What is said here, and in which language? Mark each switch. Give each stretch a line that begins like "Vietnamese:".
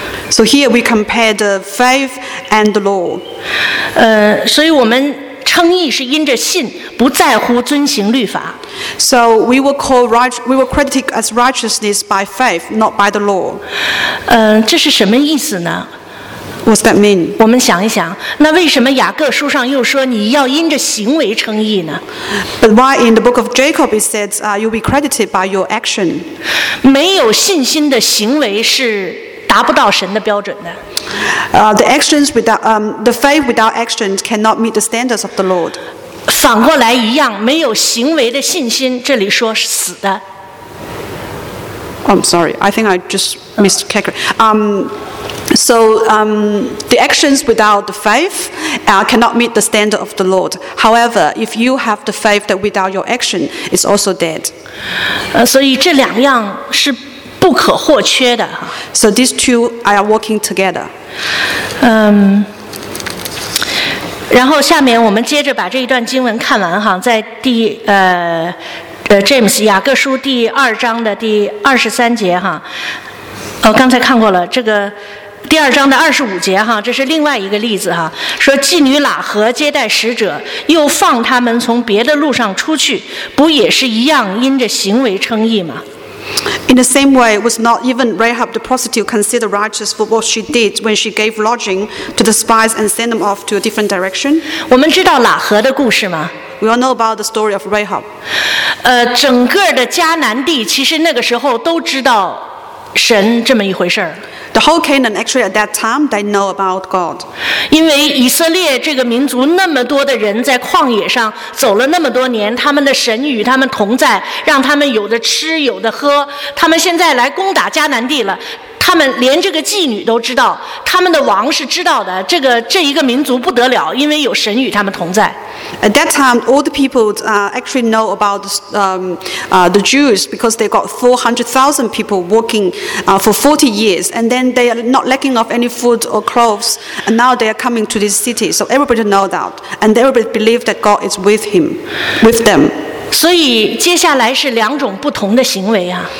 English: So here we compare the faith and the law.
Chinese: 所以我们称义是因着信，不在乎遵行律法。
English: So we were called right, we were credited as righteousness by faith, not by the law.
Chinese: 这是什么意思呢？
English: What's that mean?
Chinese: 我们想一想，那为什么雅各书上又说你要因着行为称义呢？
English: But why in the book of Jacob it says, you'll be credited by your action?
Chinese: 没有信心的行为是达不到神的标准的。
English: The faith without actions cannot meet the standards of the Lord.
Chinese: 反过来一样，没有行为的信心，这里说是死的。
English: I'm sorry, I think I just missed Kekri. So the actions without the faith cannot meet the standard of the Lord. However, if you have the faith that without your action, it's also dead.
Chinese: 所以这两样是不可或缺的。
English: So these two are working together.
Chinese: 然后下面我们接着把这一段经文看完哈，在第James 雅各书第二章的第二十三节哈，刚才看过了这个。第二章的二十五节哈，这是另外一个例子哈，说妓女喇合接待使者，又放他们从别的路上出去，不也是一样因着行为称义吗？
English: In the same way, was not even Rahab the prostitute considered righteous for what she did when she gave lodging to the spies and sent them off to a different direction?
Chinese: 我们知道喇合的故事吗？
English: We all know about the story of Rahab.
Chinese: 整个的迦南地其实那个时候都知道神这么一回事。
English: The whole Canaan, actually at that time, they know about God.
Chinese: 因为以色列这个民族那么多的人在旷野上走了那么多年，他们的神与他们同在，让他们有的吃，有的喝。他们现在来攻打迦南地了，他们连这个妓女都知道，他们的王是知道的。这一个民族不得了，因为有神与他们同在。
English: At that time, all the people actually know about the Jews because they got 400,000 people working for 40 years, and then they are not lacking of any food or clothes, and now they are coming to this city. So everybody know that, and everybody believe that God is with them.
Chinese: 所以接下来是两种不同的行为啊。